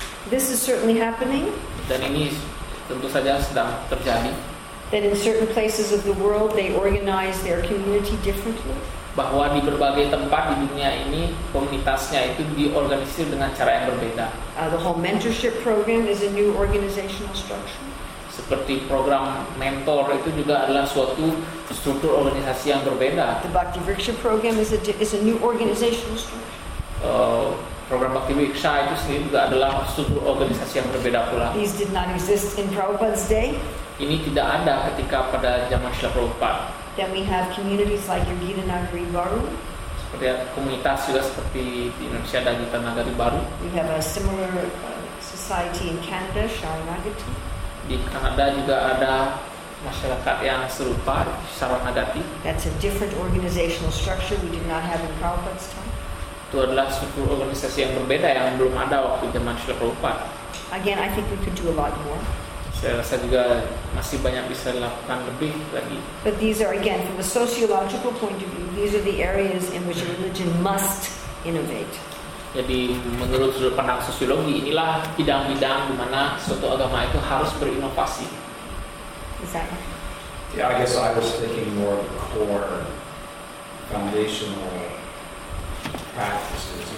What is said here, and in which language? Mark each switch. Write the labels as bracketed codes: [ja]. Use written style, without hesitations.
[en] This is certainly happening. [id] Dan ini tentu saja sedang terjadi. [en] That in certain places of the world they organize their community differently. [id] Bahwa di berbagai tempat di dunia ini komunitasnya itu diorganisir dengan cara yang berbeda. [en] The whole mentorship program is a new organizational structure. [id] Seperti program mentor itu juga adalah suatu struktur organisasi yang berbeda. [en] The Bhakti Vriksha program is a new organizational structure. [id] Program Bhakti Vriksha itu sendiri juga adalah struktur organisasi yang berbeda pula. [en] These did not exist in Prabhupada's day. [id] Ini tidak ada ketika pada zaman Srila Prabhupada. [en] Then we have communities like Yogita Nagari Baru. [id] Seperti komunitas juga seperti di Indonesia ada Yogita Nagari Baru. [en] We have a similar society in Canada, Sharanagati. [id] Di Kanada juga ada masyarakat yang serupa, Sharanagati. [en] That's a different organizational structure we did not have in Prabhupada's time. [id] Itu adalah struktur organisasi yang berbeda yang belum ada waktu zaman Srila Prabhupada. [en] Again, I think we could do a lot more. [id] Saya rasa juga masih banyak bisa dilakukan lebih lagi. [en] But these are again from a sociological point of view, these are the areas in which religion must innovate. [id] Jadi menurut sudut pandang sosiologi inilah bidang-bidang di mana suatu agama itu harus berinovasi. [en] Exactly. Yeah, I guess I was thinking more of the core foundational practices.